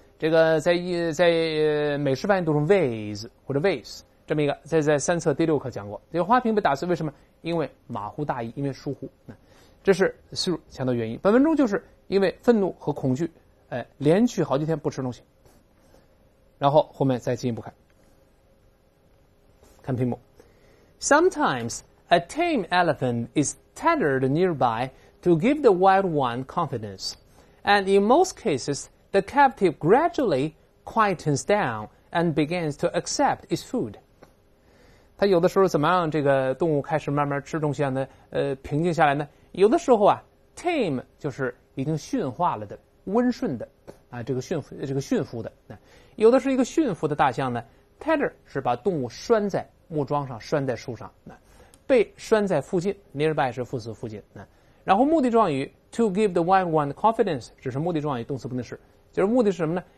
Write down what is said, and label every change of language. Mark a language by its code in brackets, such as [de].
[zh] 这个在美式发音读成 vase 或者 vase， 这么一个在三册第六课讲过。这个花瓶被打碎，为什么？因为马虎大意，因为疏忽。这是 through 强调原因。本文中就是因为愤怒和恐惧哎，连续好几天不吃东西，然后后面再进一步看，看屏幕。 [en] Sometimes a tame elephant is tethered nearby to give the wild one confidence, and in most cases, the captive gradually quietens down and begins to accept its food. [zh] 它有的时候怎么样？这个动物开始慢慢吃东西呢？平静下来呢？有的时候啊 ，tame 就是已经驯化了的。温顺的啊，这个驯服的、啊、有的是一个驯服的大象呢 tether 是把动物拴在木桩上，拴在树上、啊、被拴在附近 nearby 是副词附近、啊、然后目的状语 [en] to give the wild one confidence [zh] 只是目的状语，动词不能是，就是目的是什么呢？